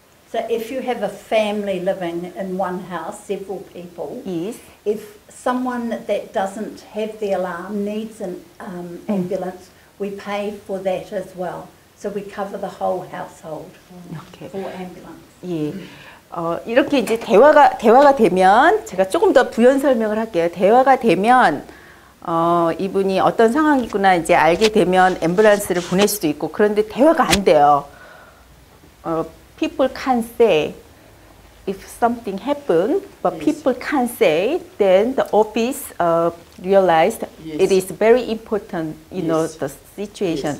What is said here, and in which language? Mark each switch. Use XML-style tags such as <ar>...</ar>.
<en>So if you have a family living in one house, several people, yes. If someone that doesn't have the alarm needs an ambulance, we pay for that as well. So we cover the whole household for ambulance. Yeah.</en> <ko>이렇게 이제 대화가 되면 제가 조금 더 부연 설명을 할게요. 대화가 되면 이분이 어떤 상황이구나 이제 알게 되면 앰뷸런스를 보낼 수도 있고 그런데 대화가 안 돼요.</ko> <en>People can't say if something happened, but people can't say. Then the office realized it is very important, you know, the situation.</en>